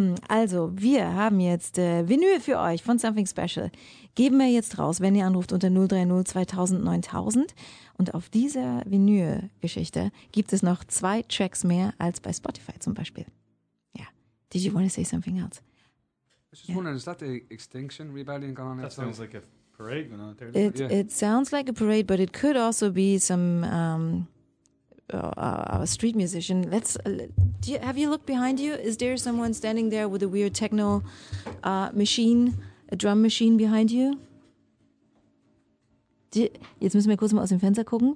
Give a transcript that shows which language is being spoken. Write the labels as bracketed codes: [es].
[de] Also, wir haben jetzt Vinyl für euch von Something Special. Geben wir jetzt raus, wenn ihr anruft unter 030 2000 9000. Und auf dieser Vinyl-Geschichte gibt es noch 2 Tracks mehr als bei Spotify zum Beispiel. [en] Ja. Did you want to say something else? I was just wondering, is that the Extinction Rebellion going on? That sounds like a parade. It sounds like a parade, but it could also be some our street musician. Have you looked behind you? Is there someone standing there with a weird techno machine, a drum machine behind you? [de] Jetzt müssen wir kurz mal aus dem Fenster gucken.